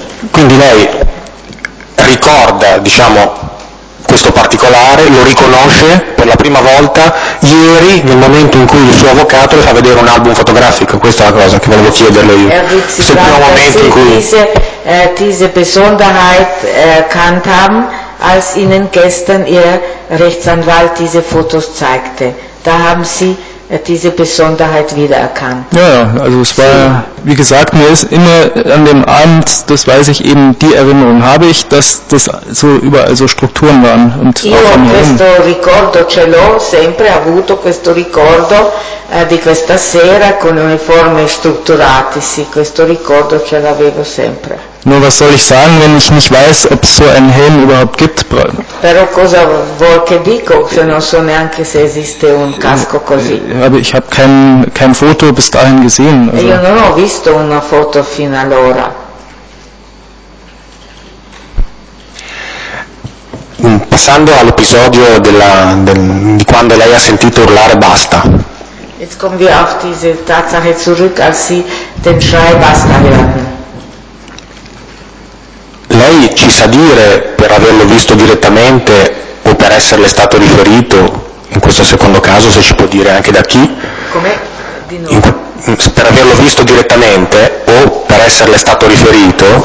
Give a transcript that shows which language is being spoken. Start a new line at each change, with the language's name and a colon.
Italian: Quindi lei ricorda, diciamo, questo particolare, lo riconosce per la prima volta ieri, nel momento in cui il suo avvocato le fa vedere un album fotografico. Questa è la cosa che volevo chiederle io. Se il primo momento in cui
German: diese Besonderheit erkannt haben, als Ihnen gestern Ihr Rechtsanwalt diese Fotos zeigte, da haben Sie diese Besonderheit wiedererkannt. Ja, also es war, wie gesagt, mir ist immer an dem Abend, das weiß ich eben, die Erinnerung habe ich, dass das so überall so Strukturen waren. Und
Italian: io
German: auch
Italian: questo Rennen. Ricordo ce l'ho sempre avuto, questo ricordo di questa sera con uniformi strutturati, sì, questo ricordo ce l'avevo sempre.
German: Nur was soll ich sagen, wenn ich nicht weiß, ob es so einen Helm überhaupt gibt?
Italian: Però cosa vuol che dico, se non so neanche se esiste un casco così.
German: Aber ich habe kein Foto bis dahin gesehen. Also.
Italian: Io non ho visto una foto fino allora. Passando all'episodio di quando lei ha sentito urlare basta.
German: Jetzt kommen wir auf diese Tatsache zurück, als sie den Schrei basta hörten.
Italian: Lei ci sa dire, per averlo visto direttamente o per esserle stato riferito, in questo secondo caso, se ci può dire anche da chi? Come? Di nuovo. Per averlo visto direttamente o per esserle stato riferito?